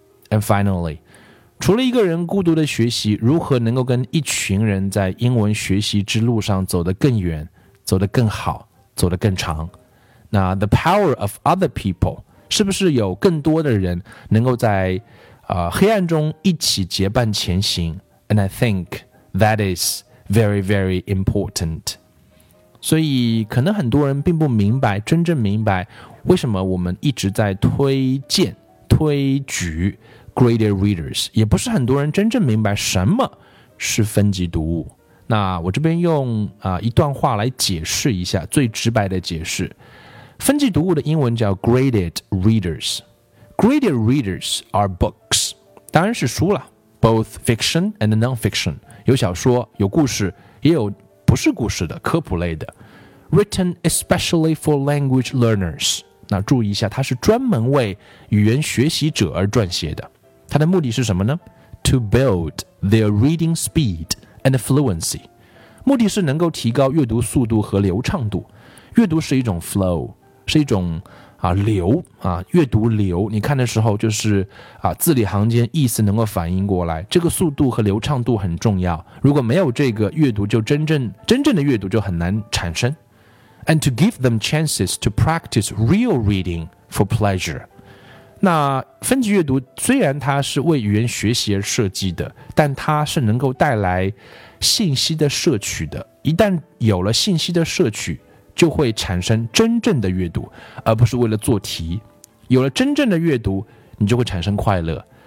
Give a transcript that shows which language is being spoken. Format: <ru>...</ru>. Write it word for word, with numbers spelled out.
<en>And finally，</en> <zh>除了一个人孤独的学习，如何能够跟一群人在英文学习之路上走得更远、走得更好、走得更长？那</zh> <en>The power of other people，</en> <zh>是不是有更多的人能够在、呃、黑暗中一起结伴前行？</zh> <en>And I think that is very, very important.</en> <zh>所以可能很多人并不明白，真正明白为什么我们一直在推荐、推举 graded readers， 也不是很多人真正明白什么是分级读物。那我这边用、呃、一段话来解释一下，最直白的解释。分级读物的英文叫 graded readers.</zh> <en>Graded readers are books.</en> <zh>当然是书了</zh> <en>both fiction and non-fiction.</en> <zh>有小说，有故事，也有不是故事的科普类的。</zh> <en>Written especially for language learners.</en> <zh>那注意一下，它是专门为语言学习者而撰写的。它的目的是什么呢？</zh> <en>To build their reading speed and fluency.</en> <zh>目的是能够提高阅读速度和流畅度。阅读是一种 flow，是一种、啊、流、啊、阅读流，你看的时候就是、啊、字里行间意思能够反应过来，这个速度和流畅度很重要，如果没有这个，阅读就真正真正的阅读就很难产生。</zh> <en>And to give them chances to practice real reading for pleasure.</en> <zh>那分级阅读虽然它是为语言学习而设计的，但它是能够带来信息的摄取的，一旦有了信息的摄取，就会产生真正的阅读，而不是为了做题。有了真正的阅读，你就会产生快乐。</zh>